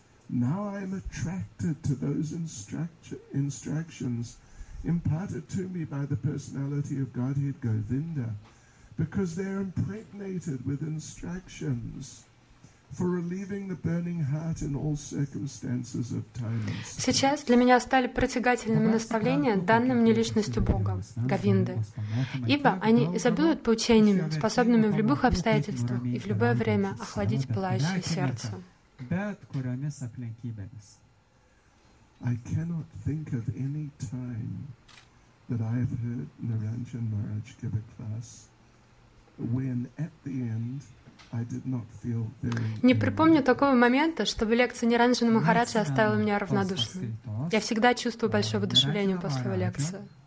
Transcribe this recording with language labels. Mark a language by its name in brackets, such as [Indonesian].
[English] Now I am attracted to those instructions imparted to me by the personality of Godhead Govinda, because they are impregnated with instructions for relieving the burning heart in all circumstances of time. [Russian] Сейчас для меня стали притягательными наставления, данные мне личностью Бога, Говинды, ибо они изобилуют поучениями, способными в любых обстоятельствах и в любое время охладить пылающее сердце. [English] I cannot think of any time that I have heard Niranjan Maharaj give a class when at the end I did not feel very... [Russian] Не припомню такого момента, чтобы лекция Ниранджана Махараджи оставила меня равнодушным. Я всегда чувствую большое воодушевление после его лекции.